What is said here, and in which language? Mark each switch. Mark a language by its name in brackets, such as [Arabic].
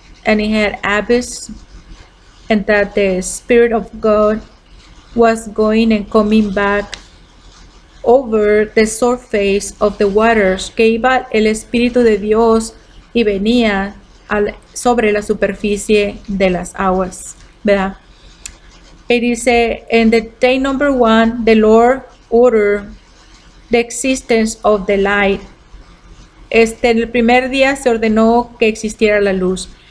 [English] And it had abyss, and that the Spirit of God was going and coming back over the surface of the waters. [Spanish] Que iba el Espíritu de Dios y venía sobre la superficie de las aguas, ¿verdad? [English] It is a, in the day number one, the Lord ordered the existence of the light. [Spanish] El primer día se ordenó que existiera la luz.